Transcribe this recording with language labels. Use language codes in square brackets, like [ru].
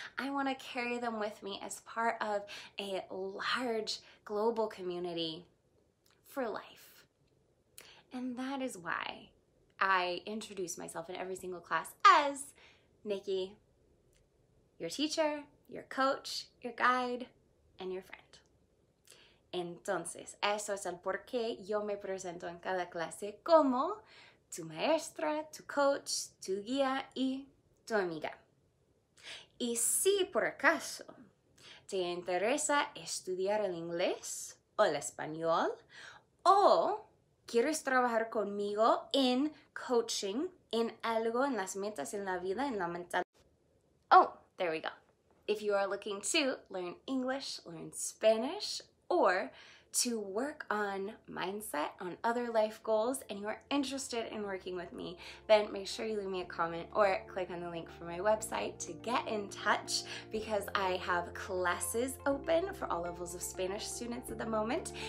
[en] I want to carry them with me as part of a large global community for life. And that is why I introduce myself in every single class as Nikki, your teacher, your coach, your guide, and your friend. [es] Entonces, eso es el por qué yo me presento en cada clase como tu maestra, tu coach, tu guía y tu amiga. Y si por acaso te interesa estudiar el inglés o el español, O quieres trabajar conmigo en coaching, en algo, en las metas, en la vida, en la mentalidad. [en] Oh, there we go. If you are looking to learn English, learn Spanish, or to work on mindset, on other life goals, and you are interested in working with me, then make sure you leave me a comment or click on the link from my website to get in touch, because I have classes open for all levels of Spanish students at the moment,